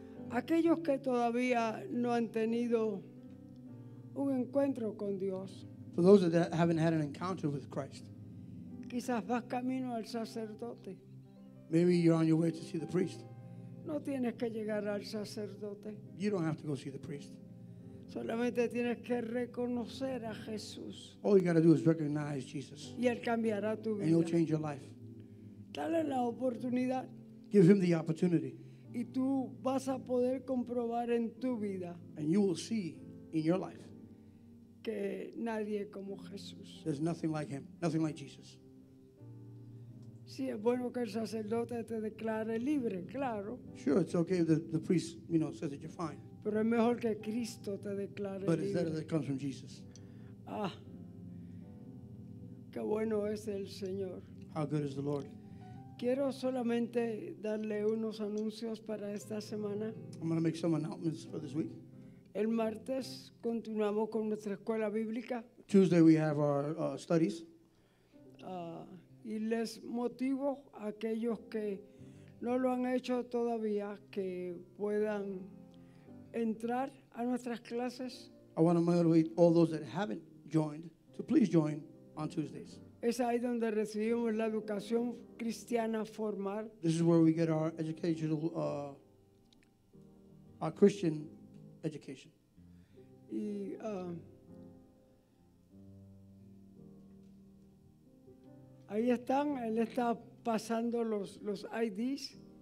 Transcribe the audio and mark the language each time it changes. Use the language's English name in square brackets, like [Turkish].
[Spanish] Aquellos que todavía no han tenido un encuentro con Dios. [English] For those that haven't had an encounter with Christ. [Spanish] Quizás vas camino al sacerdote. [English] Maybe you're on your way to see the priest. [Spanish] No tienes que llegar al sacerdote. [English] You don't have to go see the priest. [Spanish] Solamente tienes que reconocer a Jesús. [English] All you got to do is recognize Jesus. [Spanish] Y él cambiará tu vida. [English] And he'll change your life. [Spanish] Dale la oportunidad. [English] Give him the opportunity. [Spanish] Y tú vas a poder comprobar en tu vida. [English] And you will see in your life. [Spanish] Que nadie como Jesús. [English] There's nothing like him. Nothing like Jesus. [Spanish] Sí, es bueno que el sacerdote te declare libre, claro. [English] Sure, it's okay if the priest, you know, says that you're fine. [Spanish] Pero es mejor que Cristo te declare [English] but But it's better that it comes from Jesus. [Spanish] Ah, qué bueno es el Señor. [English] How good is the Lord. [Spanish] Quiero solamente darle unos anuncios para esta semana. [English] I'm going to make some announcements for this week. [Spanish] El martes continuamos con nuestra escuela bíblica. [English] Tuesday we have our studies. [Spanish] Y les motivo a aquellos que no lo han hecho todavía que puedan entrar a nuestras clases. [English] I want to motivate all those that haven't joined to please join on Tuesdays. [Spanish] Es ahí donde recibimos la educación cristiana formal. [English] This is where we get our educational, our Christian education. [Spanish] Y ahí están, él está pasando los IDs.